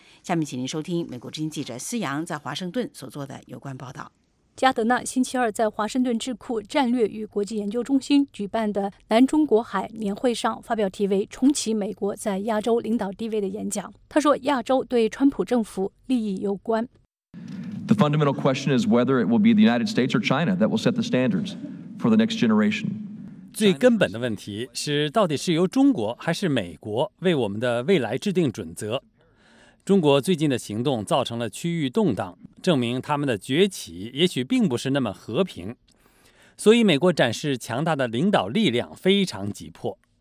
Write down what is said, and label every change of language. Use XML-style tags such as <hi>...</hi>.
<zh>下面请您收听美国之音记者思阳在华盛顿所做的有关报道。加德纳星期二在华盛顿智库战略与国际研究中心举办的南中国海年会上发表题为《重启美国在亚洲领导地位》的演讲。他说，亚洲对川普政府利益攸关。</zh> <en>The fundamental question is whether it will be the United States or China that will set the standards for the next generation.</en> <zh>最根本的问题是，到底是由中国还是美国为我们的未来制定准则？中国最近的行动造成了区域动荡，证明他们的崛起也许并不是那么和平，所以美国展示强大的领导力量非常急迫。</zh>